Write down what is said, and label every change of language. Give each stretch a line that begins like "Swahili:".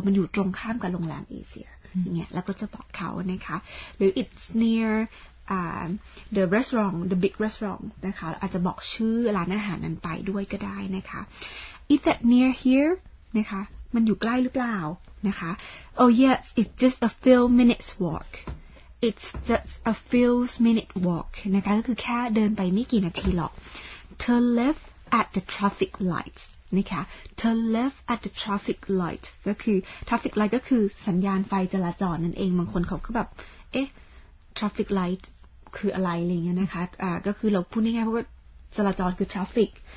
Thai: มันอยู่ตรงข้ามกับโรงแรมเอเชียอย่างเงี้ยแล้วก็จะบอกเขานะคะหรือ
English: it's near the restaurant, the big restaurant
Thai: นะคะอาจจะบอกชื่อร้านอาหารนั้นไปด้วยก็ได้นะคะ
English: Is that near here?
Thai: นะคะมันอยู่ใกล้หรือเปล่านะคะ
English: Oh yes, it's just a few minutes walk. It's just a few minute walk.
Thai: นะคะก็คือแค่เดินไปไม่กี่นาทีหรอก
English: Turn left at the traffic lights.
Thai: นะคะ
English: turn left at the traffic light
Thai: ก็คือ traffic light ก็คือสัญญาณไฟจราจรนั่นเองบางคนเขาก็แบบเอ๊ะ traffic light คืออะไรอะไรเงี้ยนะคะก็คือเราพูดง่ายๆเพราะว่าจราจรคือ traffic